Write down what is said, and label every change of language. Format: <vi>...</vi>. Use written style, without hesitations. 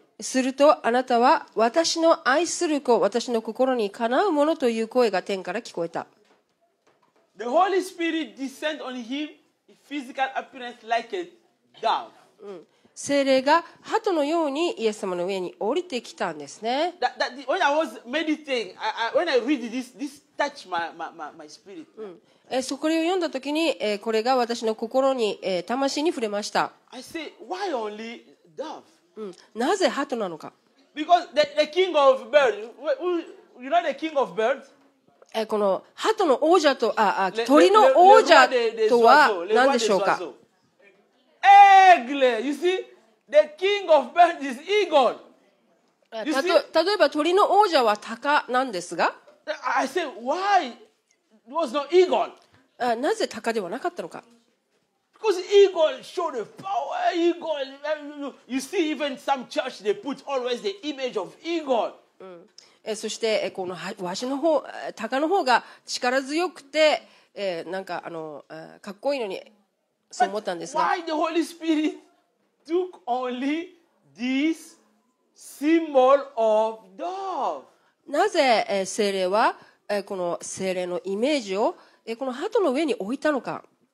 <ja>するとあなたは私の愛する子、私の心にかなうものという声が天から聞こえた。</ja> <en>The Holy Spirit descended on him in physical appearance like a dove.</en> <ja>聖霊が鳩のようにイエス様の上に降りてきたんですね。</ja> <en>When I was meditating, when I read this, this touched my spirit.</en> <ja>そこを読んだ時に、これが私の心に、魂に触れました。</ja> <en>I say, why only dove?</en> <ja>なぜ鳩なのか。</ja> <en>Because the king of birds, you know the king of birds?</en> <ja>この鳩の王者と、鳥の王者とは何でしょうか。</ja> <en>Eagle, you see, the king of birds is eagle.</en> <ja>例えば鳥の王者は鷹なんですが、</ja> <en>I say why it was not eagle?</en> <ja>なぜ鷹ではなかったのか。</ja> <en>Because eagle showed the power. Eagle, you see, even some church they put always the image of eagle.</en> <ja>そしてこのワシの方、鷹の方が力強くて、なんかかっこいいのにそう思ったんですが。</ja> <en>Why the Holy Spirit took only this symbol of dove?</en> <ja>なぜ聖霊はこの聖霊のイメージをこの鳩の上に置いたのか。</ja>